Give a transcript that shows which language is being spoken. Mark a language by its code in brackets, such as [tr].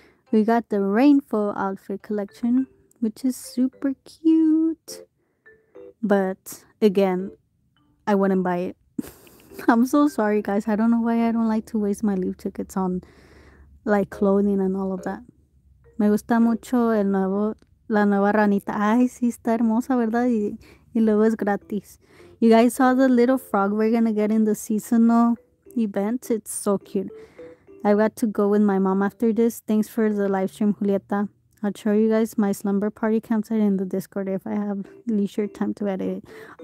[en] We got the Rainfall Outfit Collection, which is super cute. But, again, I wouldn't buy it. I'm so sorry, guys. I don't know why I don't like to waste my leaf tickets on, like, clothing and all of that. [es] Me gusta mucho el nuevo, la nueva ranita. Ay, sí, está hermosa, ¿verdad? Y luego es gratis. [en] You guys saw the little frog we're going to get in the seasonal event? It's so cute. I got to go with my mom after this. Thanks for the live stream, Julieta. I'll show you guys my slumber party campsite in the Discord if I have leisure time to edit it.